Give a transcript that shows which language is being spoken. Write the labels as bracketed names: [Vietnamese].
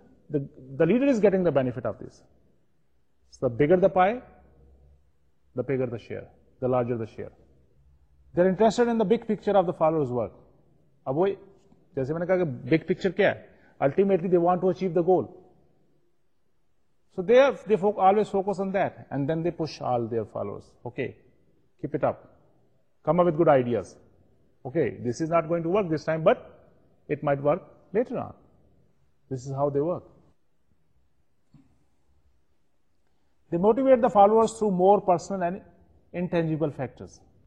[English] The leader is getting the benefit of this. So the bigger the pie, the bigger the share, the larger the share. They're interested in the big picture of the followers' work. [Urdu] Aboy, جیسے میں نے کہا کہ big picture کیا ہے, [English] Ultimately they want to achieve the goal. So they always focus on that, and then they push all their followers. Okay, keep it up, come up with good ideas. Okay, this is not going to work this time, but it might work later on. This is how they work. They motivate the followers through more personal and intangible factors.